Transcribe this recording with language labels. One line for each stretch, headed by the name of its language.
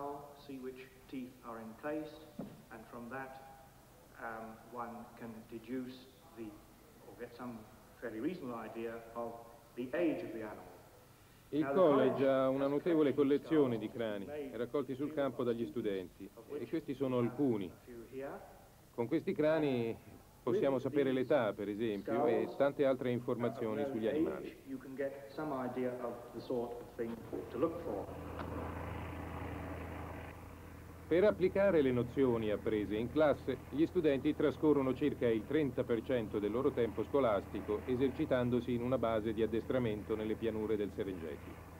English: And from that, one can deduce the, or get some fairly reasonable idea of the age of the animal.
Italian: Il college ha una notevole collezione di crani raccolti sul campo dagli studenti, e questi sono alcuni. Con questi crani possiamo sapere l'età, per esempio, e tante altre informazioni sugli animali.
English: You can get some idea of the sort of thing to look for.
Italian: Per applicare le nozioni apprese in classe, gli studenti trascorrono circa il 30% del loro tempo scolastico esercitandosi in una base di addestramento nelle pianure del Serengeti.